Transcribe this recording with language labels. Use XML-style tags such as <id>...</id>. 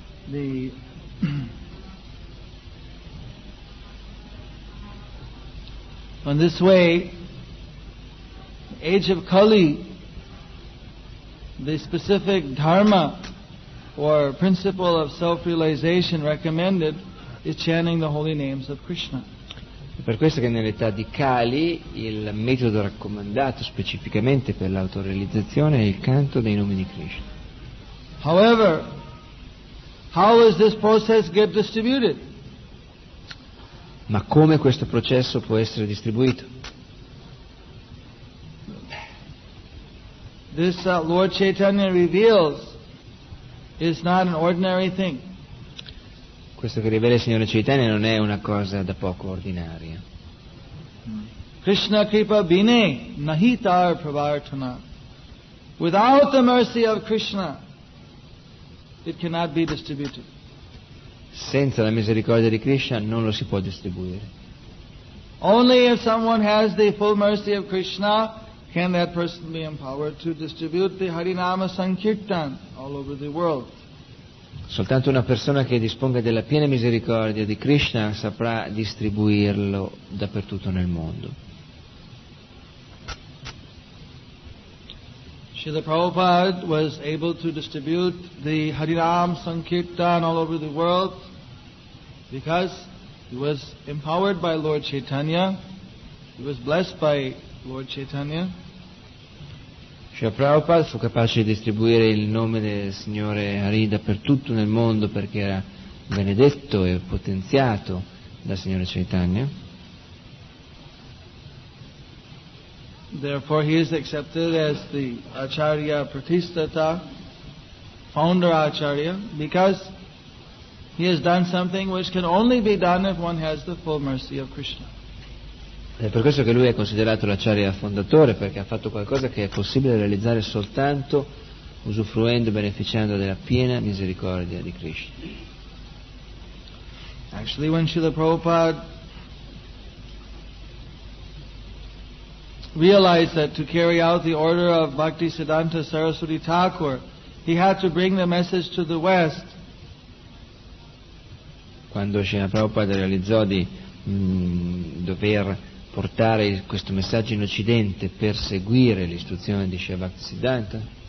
<en>In this way, age of Kali, the specific dharma or principle of self-realization recommended is chanting the holy names of Krishna.</en> <it>Per questo che nell'età di Kali il metodo raccomandato specificamente per l'autorealizzazione è il canto dei nomi di Krishna.</it> <en>However, how does this process get distributed?</en> <it>Ma come questo processo può essere distribuito?</it> <en>This Lord Chaitanya reveals is not an ordinary thing.</en> <it>Questo che rivela il Signore Chaitanya non è una cosa da poco ordinaria.</it> <sa>Krishna kripa bine nahitar pravartana.</sa> <en>Without the mercy of Krishna, it cannot be distributed.</en> <it>Senza la misericordia di Krishna non lo si può distribuire.</it> <en>Only if someone has the full mercy of Krishna can that person be empowered to distribute the Harinama Sankirtan all over the world.</en> <it>Soltanto una persona che disponga della piena misericordia di Krishna saprà distribuirlo dappertutto nel mondo.</it> <en>Srila Prabhupada was able to distribute the Harinam Sankirtan all over the world because he was empowered by Lord Chaitanya. He was blessed by Lord Chaitanya.</en> <it>Srila Prabhupada fu capace di distribuire il nome del Signore Hari dappertutto nel mondo perché era benedetto e potenziato dal Signore Chaitanya.</it> <en>Therefore he is accepted as the Acharya Pratisthata, founder Acharya, because he has done something which can only be done if one has the full mercy of Krishna.</en> <it>È per questo che lui è considerato l'Acharya fondatore, perché ha fatto qualcosa che è possibile realizzare soltanto usufruendo e beneficiando della piena misericordia di Krishna.</it> <en>Actually, when Srila Prabhupada realized that to carry out the order of Bhakti Siddhanta Saraswati Thakur, he had to bring the message to the West.</en> <it>Quando Srila Prabhupada realizzò di dover portare questo messaggio in Occidente per seguire l'istruzione di Srila Bhakti Siddhanta.</it>